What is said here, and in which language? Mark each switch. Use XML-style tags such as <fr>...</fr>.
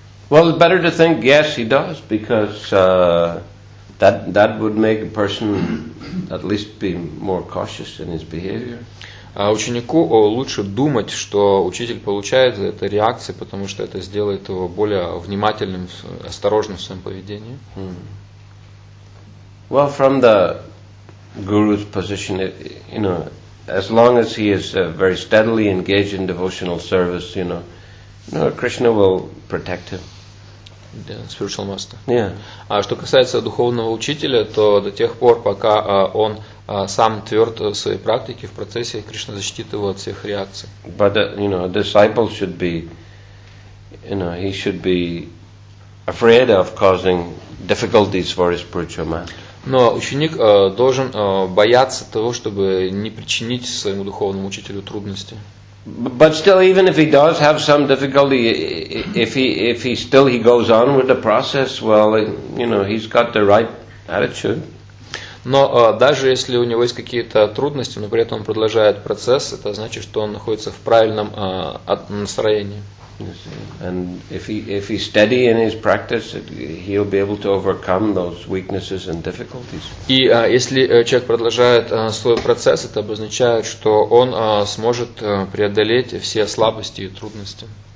<en>Well, it's better to think yes, he does, because that would make a person at least be more cautious in his behavior.</en> <ru>Ученику лучше думать, что учитель получает за это реакции, потому что это сделает его более внимательным, осторожным в своем поведении. Hmm.</ru> <en>Well, from the guru's position, you know, as long as he is very steadily engaged in devotional service, you know, Krishna will protect him. Spiritual master. Yeah.</en> <ru>А что касается духовного учителя, то до тех пор, пока он сам тверд в своей практике, в процессе, Кришна защитит его от всех реакций.</ru> <en>But you know, a disciple should be, you know, he should be afraid of causing difficulties for his spiritual master.</en> <ru>Но ученик должен бояться того, чтобы не причинить своему духовному учителю трудности.</ru> <en>But still, even if he does have some difficulty, if he goes on with the process, well, you know, he's got the right attitude.</en> <ru>Но даже если у него есть какие-то трудности, но при этом он продолжает процесс, это значит, что он находится в правильном настроении.</ru> <en>And if he's steady in his practice, he'll be able to overcome those weaknesses and difficulties.</en> <ru>И если человек продолжает свой процесс, это обозначает, что он сможет преодолеть все слабости и трудности.</ru>